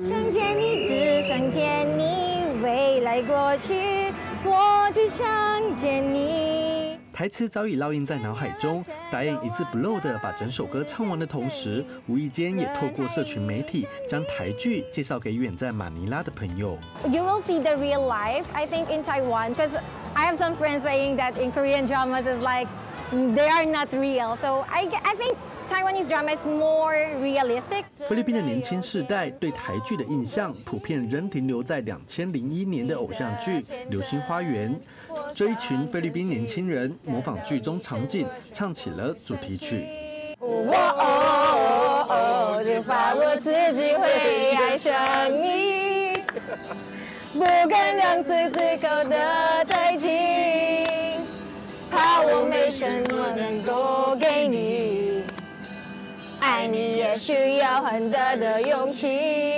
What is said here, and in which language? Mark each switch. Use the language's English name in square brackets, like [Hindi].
[Chinese] 想见你，只想见你，未来过去，我只想见你。台词早已烙印在脑海中，达彦一字不漏地把整首歌唱完的同时，无意间也透过社群媒体将台剧介绍给远在马尼拉的朋友。 [English] You will see the real life, I think, in Taiwan, because I have some friends saying that in Korean dramas is like they are not real. So I think Taiwanese drama is more realistic. [Chinese] 菲律宾的年轻世代对台剧的印象普遍仍停留在2001年的偶像剧《流星花园》。这一群菲律宾年轻人模仿剧中场景唱起了主题曲。我哦哦哦，就怕我自己会爱上你，不敢让自己靠得太近，怕我没什么能够给你，爱你也需要很大的勇气。